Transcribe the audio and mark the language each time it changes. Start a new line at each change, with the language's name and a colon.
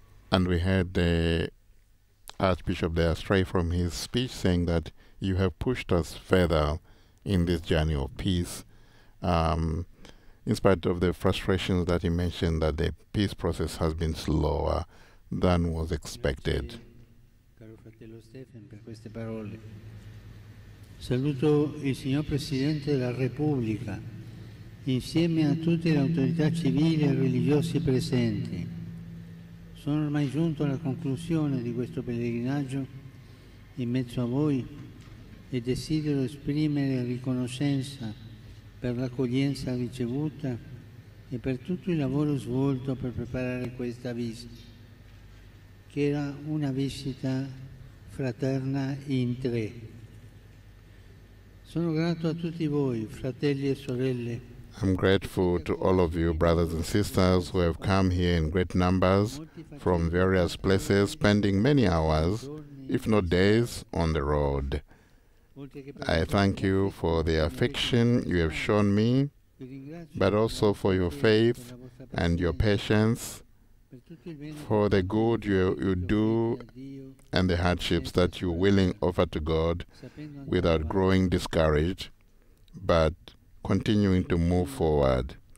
English: And we had the Archbishop there stray from his speech, saying that you have pushed us further in this journey of peace, in spite of the frustrations that he mentioned, that the peace process has been slower than was expected.
Italian: Caro fratello Stephen, per queste parole. Saluto il signor Presidente della Repubblica, insieme a tutte le autorità civili e religiose presenti. Sono ormai giunto alla conclusione di questo pellegrinaggio in mezzo a voi e desidero esprimere riconoscenza per l'accoglienza ricevuta e per tutto il lavoro svolto per preparare questa visita, che era una visita fraterna in tre. Sono grato a tutti voi, fratelli e sorelle.
English: I'm grateful to all of you, brothers and sisters, who have come here in great numbers from various places, spending many hours, if not days, on the road. I thank you for the affection you have shown me, but also for your faith and your patience, for the good you do and the hardships that you willing offer to God without growing discouraged, but continuing to move forward.